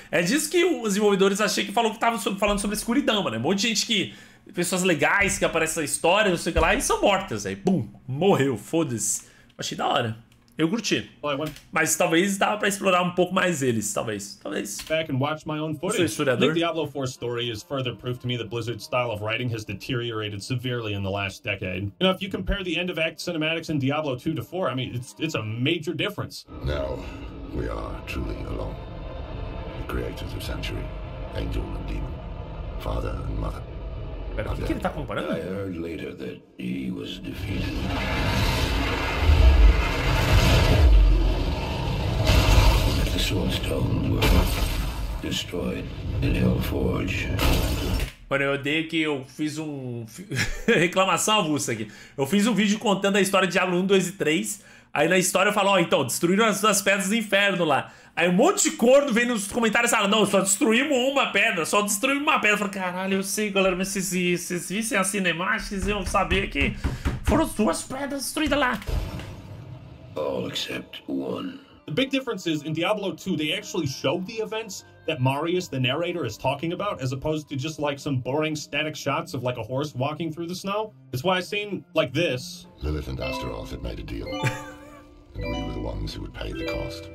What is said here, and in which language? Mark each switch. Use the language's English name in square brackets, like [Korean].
[Portuguese] É disso que os desenvolvedores achei que falou que tava falando sobre a escuridão, mano. Um monte de gente que... Pessoas legais que aparecem na história, não sei o que lá, e são mortas, aí. Bum! Morreu, foda-se. Achei da hora. Eu curti. Mas talvez dava pra explorar um pouco mais eles, talvez. Talvez. [English] Back and watch my own footage. [Portuguese] Eu sou historiador. [English] The Diablo 4 story is further proof to me that Blizzard's style of writing has deteriorated severely in the last decade. You know, if you compare the end of act cinematics in Diablo 2 to 4, I mean, it's a major difference. Now, we are truly alone. The creators of Sanctuary, Angel and Demon, Father and Mother. [Portuguese] Pera, o que ele tá comparando? [English] I heard later that he was defeated. That the sword stones were destroyed in Hellforge. [Portuguese] Mano, eu odeio que eu fiz um... reclamação avulsa aqui. Eu fiz um vídeo contando a história de Diablo 1, 2 e 3. Aí na história eu falo, ó, então, destruíram as duas pedras do inferno lá. Aí um monte de corno vem nos comentários e fala, não, só destruímos uma pedra. Eu falo, caralho, eu sei, galera, mas se vocês vissem a cinemática, vocês iam saber que foram duas pedras destruídas lá. [English] All except one. The big difference is, in Diablo 2, they actually show the events that Marius, the narrator, is talking about, as opposed to just, like, some boring static shots of, like, a horse walking through the snow. It's why I seen, like, this. Lilith and Astaroth had made a deal. And we were the ones who would pay the cost.